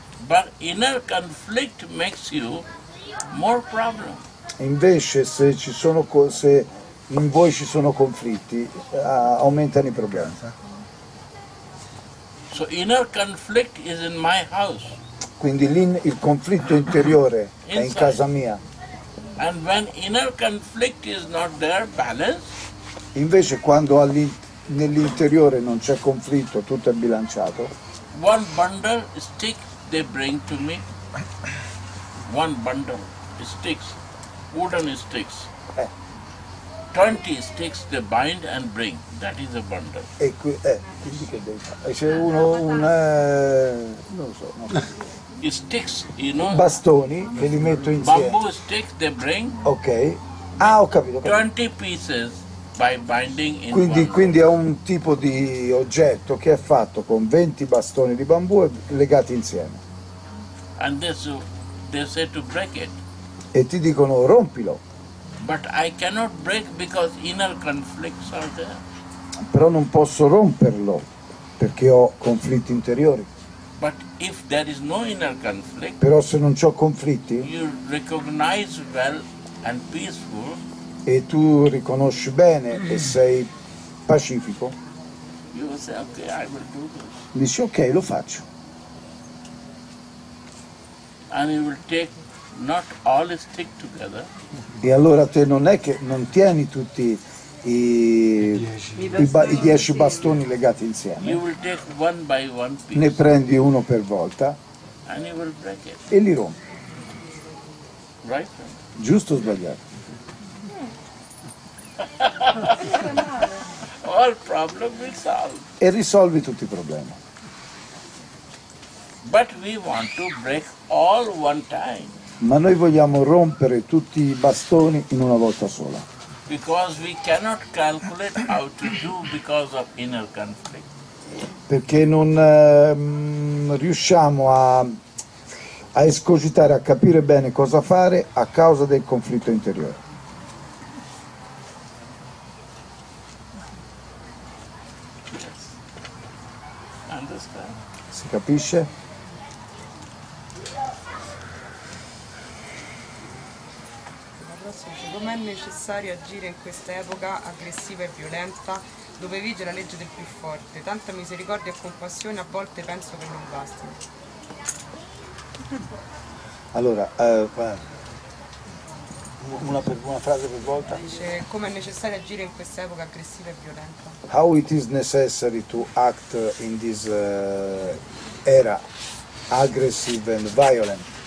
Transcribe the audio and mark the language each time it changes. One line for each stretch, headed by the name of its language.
English: But inner conflict makes you more problem.
Italian: Invece se ci sono se in voi ci sono conflitti aumentano i problemi.
English: So inner conflict is in my house.
Italian: Quindi il conflitto interiore è in casa mia.
English: And when inner conflict is not there, balance.
Italian: Invece quando nell'interiore non c'è conflitto, tutto è bilanciato.
English: One bundle stick they bring to me. One bundle sticks, wooden sticks. 20 sticks they bind and bring. That is a bundle.
Italian: E qui, quindi che devi fare? C'è uno, non so.
English: Sticks, you know,
Italian: bastoni che li metto insieme.
English: Bamboo sticks they bring.
Italian: Ok. Ah, ho capito.
English: 20 pieces by binding in
Italian: quindi,
English: one.
Italian: Quindi è un tipo di oggetto che è fatto con 20 bastoni di bambù legati insieme.
English: And they say to break it.
Italian: E ti dicono rompilo.
English: But I cannot break because inner conflicts are there.
Italian: Però non posso romperlo perché ho conflitti interiori.
English: But if there is no inner conflict,
Italian: però se non c'ho conflitti,
English: you recognize well and peaceful,
Italian: e tu riconosci bene e sei pacifico,
English: you say, okay, I will do this.
Italian: Dici ok, lo faccio.
English: And you will take not all stick together.
Italian: E allora te non è che non tieni tutti i dieci bastoni legati insieme.
English: You will take one by one piece.
Italian: Ne prendi uno per volta
English: and you will break it.
Italian: E li rompi.
English: Right?
Italian: Giusto o sbagliato?
English: All problem will solve.
Italian: E risolvi tutti i problemi.
English: But we want to break all one time.
Italian: Ma noi vogliamo rompere tutti i bastoni in una volta sola.
English: Because we cannot calculate how to do because of inner conflict.
Italian: Perché non riusciamo a escogitare, a capire bene cosa fare a causa del conflitto interiore.
English: Understand?
Italian: Si capisce? Com'è necessario agire in questa epoca aggressiva e violenta dove vige la legge del più forte? Tanta misericordia e compassione a volte penso che non bastino. Allora, una frase per volta. Dice, come è necessario agire in questa epoca aggressiva e violenta?
English: How it is necessary to act in this era aggressive and violent?